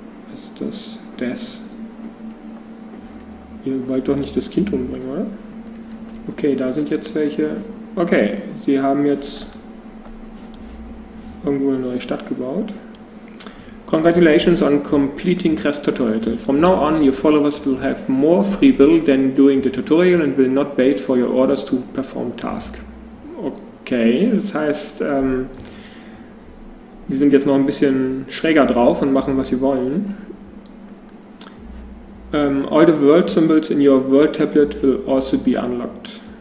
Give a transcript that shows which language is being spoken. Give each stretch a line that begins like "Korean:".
German: Was ist das? Das? Ihr wollt doch nicht das Kind umbringen, oder? Okay, da sind jetzt welche. Okay, sie haben jetzt irgendwo eine neue Stadt gebaut.
English: Congratulations on completing Crest Tutorial. From now on, your followers will have more free will than doing the tutorial and will not wait for your orders to perform task.
German: Okay, das heißt, die sind jetzt noch ein bisschen schräger drauf und machen, was sie wollen.
English: All the world symbols in your world tablet will also be unlocked.